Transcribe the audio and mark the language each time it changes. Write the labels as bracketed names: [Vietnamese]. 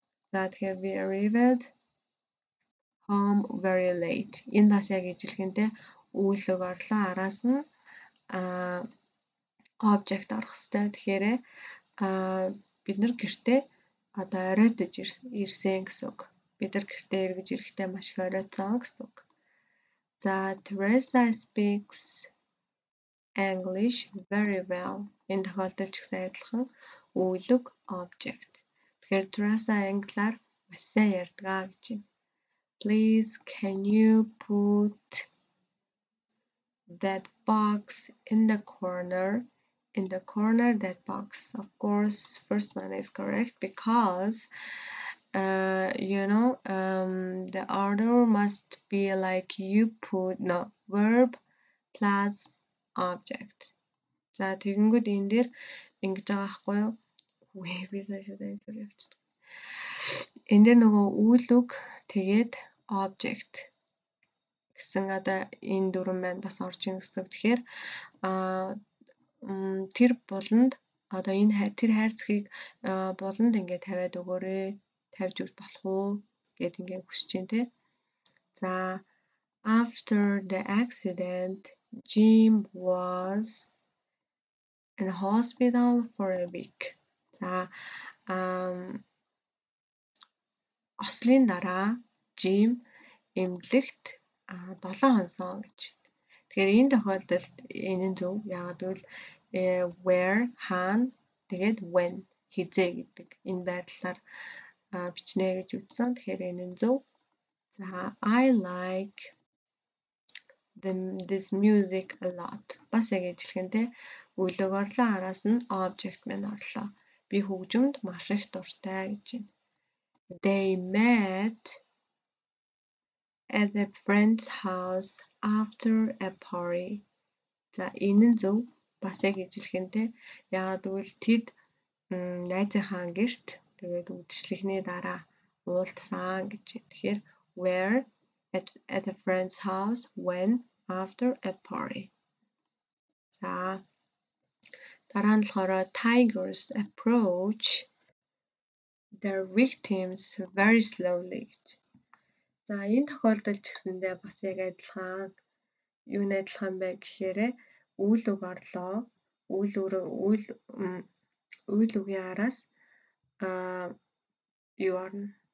[Mongolian] За тэгэхээр [English] we arrived home very late. [Mongolian] Энэ бас яг ижилхэнтэй үйл үг орлоо араас нь object орох хэвээр. Тэгэхээр бид нар гэртээ одоо оройтож ирсэн гэсэн үг. Бид нар гэртээ эргэж ирэхдээ маш их оройтсон гэсэн үг. [English] За, Teresa speaks English very well. [Mongolian] Энэ тохиолдолд ч гэсэн адилхан үйлэг object. Тэгэхээр Teresa англиар маш сайн ярьдаг гэж байна. [English] Please, can you put that box in the corner? In the corner, that box. Of course, first one is correct because, you know, the order must be like you put, no, verb plus object. [Mongolian] За, тэгэнгүүт энэ дээр ингэж байгаа байхгүй юу? Үгүй би сайшаад энэ дээр явчихдаг. Энэ дээр нөгөө үйл үг тэгээд object гэсэн одоо энэ дүрэн байна бас орж ийн гэсэн үг. Тэгэхээр тэр болонд одоо энэ тэр хайрцгийг болонд ингээд тавиад өгөөрэй. Тавьж өгч болох уу гэд ингээд хүсэж байна те. [English] За, after the accident, Jim was in hospital for a week. [Mongolian] За, ослын дараа Jim эмнэлэгт 7 хоносон гэж. Тэгэхээр энэ тохиолдолд энэ нь зөв. Яагад вэ? Where, when, тэгээд when, хизээ гэдэг энэ байдлаар бичнэ гэж үтсэн. Тэгэхээр энэ нь зөв. [English] За, I like this music a lot. [Mongolian] Бас яг ижилхэн те. Үйлөг орлоо араас нь object мэн орлоо. Би хөгжимд маш их дуртай гэж байна. [English] They met at a friend's house after a party. [Mongolian] За, энэ нь зөв. Бас яг ижилхэн те. Яагад вэ? Тэд найзынхаа гэрт тэгээд үдшилхний дараа уулзсан гэж. Тэгэхээр where, [English] at a friend's house, [Mongolian] when, [English] after a party. За, [Mongolian] дараа нь болохоор [English] tigers approach their victims very slowly. [Mongolian] За, энэ тохиолдолд ч гэсэндээ бас яг адилхан юу нэгдлхан бай гэхээр үйл үг орлоо. Үйл үгийн араас юу орно?